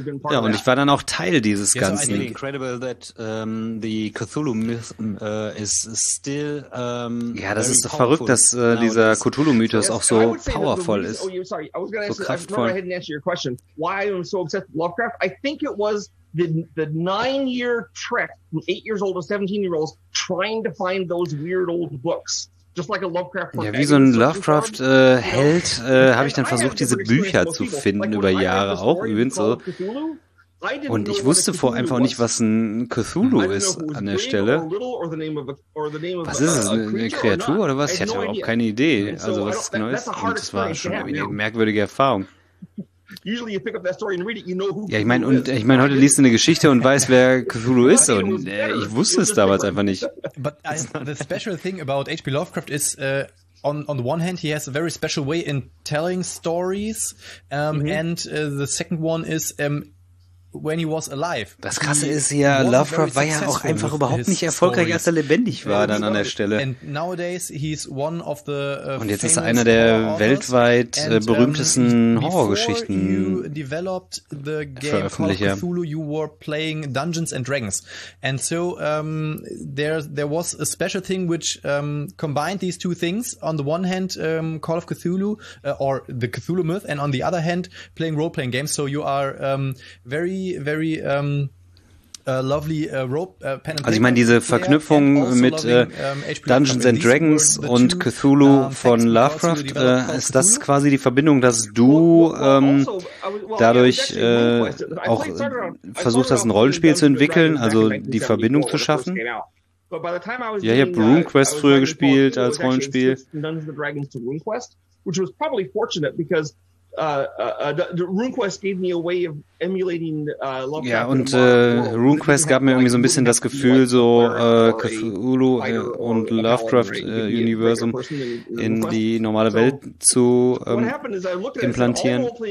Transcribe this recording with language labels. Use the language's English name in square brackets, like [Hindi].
[German] Ja, und ich war dann auch Teil dieses Ganzen. Ja, das ist verrückt, dass dieser Cthulhu-Mythos auch so powerful ist, so kraftvoll. [English] Your question, why I'm so obsessed with Lovecraft, I think it was the 9-year trek from 8 years old to 17 year olds trying to find those weird old books, just like a Lovecraft. [German] Ja, wie so ein Lovecraft Held habe ich dann versucht, diese Bücher zu finden über Jahre auch, übrigens so. Und ich wusste vorher einfach nicht, was ein Cthulhu ist an der Stelle. Was ist es, eine Kreatur oder was? Ich hatte auch keine Idee, also was es genau ist. Und das war schon eine merkwürdige Erfahrung. [English] Usually you pick up that story and read it, you know who. [German] Ja, ich meine, und ich meine, heute liest du eine Geschichte und weißt, wer Cthulhu ist, und ich wusste es damals einfach nicht. [English] But the special thing about H.P. Lovecraft is on the one hand, he has a very special way in telling stories, and the second one is when he was alive. [German] Das Krasse ist ja, Lovecraft war ja auch einfach überhaupt nicht erfolgreich, als er lebendig war dann an der Stelle. [English] And nowadays he's one of the [German] und jetzt ist er einer der weltweit berühmtesten Horrorgeschichten. Veröffentlicht. [English] Cthulhu, you were playing Dungeons and Dragons, and so there was a special thing which combined these two things. On the one hand, Call of Cthulhu or the Cthulhu myth, and on the other hand, playing role playing games. So you are very lovely [German] Also ich meine, diese Verknüpfung mit Dungeons and Dragons und Cthulhu von Lovecraft, ist das quasi die Verbindung, dass du dadurch auch versucht hast, ein Rollenspiel zu entwickeln, also die Verbindung zu schaffen? Ja, ich habe RuneQuest früher gespielt als Rollenspiel. [English] Dungeons and Dragons to RuneQuest, which was probably fortunate because RuneQuest gave me a way of emulating Lovecraft. [German] Ja, und RuneQuest gab mir irgendwie so ein bisschen das Gefühl, so Cthulhu und Lovecraft Universum in die normale Welt zu implantieren.